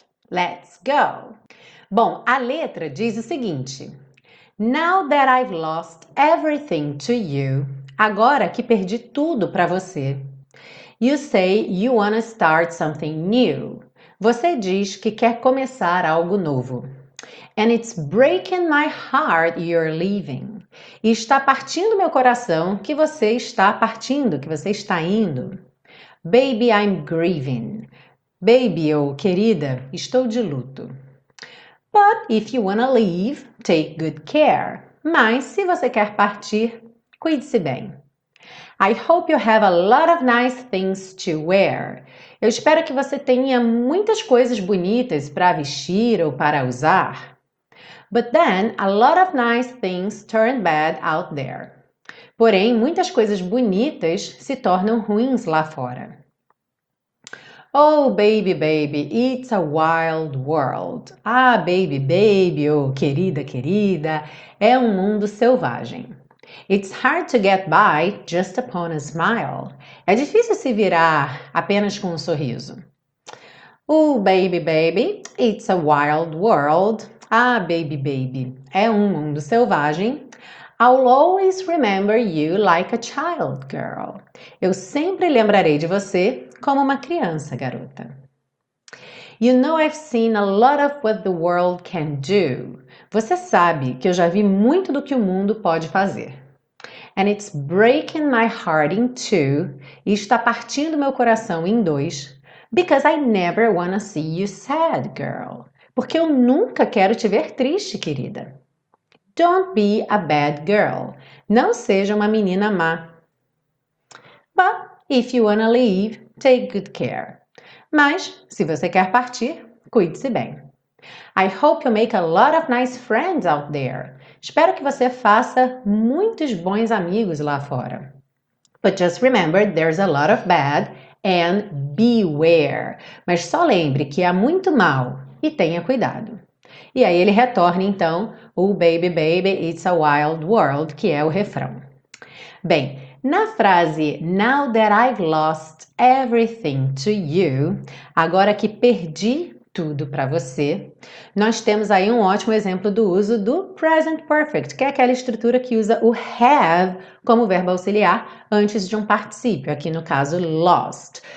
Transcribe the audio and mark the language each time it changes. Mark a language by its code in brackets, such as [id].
[en] Let's go! [pt] Bom, a letra diz o seguinte. [en] Now that I've lost everything to you, [pt] agora que perdi tudo para você. [en] You say you wanna start something new. [pt] Você diz que quer começar algo novo. [en] And it's breaking my heart you're leaving. [pt] E está partindo meu coração que você está partindo, que você está indo. [en] Baby, I'm grieving. [pt] Baby, ou querida, estou de luto. [en] But if you wanna leave, take good care. [pt] Mas se você quer partir, cuide-se bem. [en] I hope you have a lot of nice things to wear. [pt] Eu espero que você tenha muitas coisas bonitas para vestir ou para usar. [en] But then a lot of nice things turn bad out there. [pt] Porém, muitas coisas bonitas se tornam ruins lá fora. [en] Oh, baby, baby, it's a wild world. [pt] Ah, baby, baby, oh, querida, querida, é um mundo selvagem. [en] It's hard to get by just upon a smile. [pt] É difícil se virar apenas com um sorriso. [en] Oh, baby, baby, it's a wild world. [pt] Ah, baby, baby, é um mundo selvagem. [en] I'll always remember you like a child, girl. [pt] Eu sempre lembrarei de você como uma criança, garota. [en] You know I've seen a lot of what the world can do. [pt] Você sabe que eu já vi muito do que o mundo pode fazer. [en] And it's breaking my heart in two. [pt] E está partindo meu coração em dois. [en] Because I never wanna see you sad, girl. [pt] Porque eu nunca quero te ver triste, querida. [en] Don't be a bad girl. [pt] Não seja uma menina má. [en] But if you wanna leave, take good care. [pt] Mas se você quer partir, cuide-se bem. [en] I hope you make a lot of nice friends out there. [pt] Espero que você faça muitos bons amigos lá fora. [en] But just remember, there's a lot of bad and beware. [pt] Mas só lembre que há muito mal e tenha cuidado. E aí ele retorna então, o [en] baby, baby, it's a wild world, [pt] que é o refrão. Bem, na frase [en] Now that I've lost everything to you, [pt] agora que perdi tudo para você, nós temos aí um ótimo exemplo do uso do present perfect, que é aquela estrutura que usa o have como verbo auxiliar antes de um particípio, aqui no caso lost.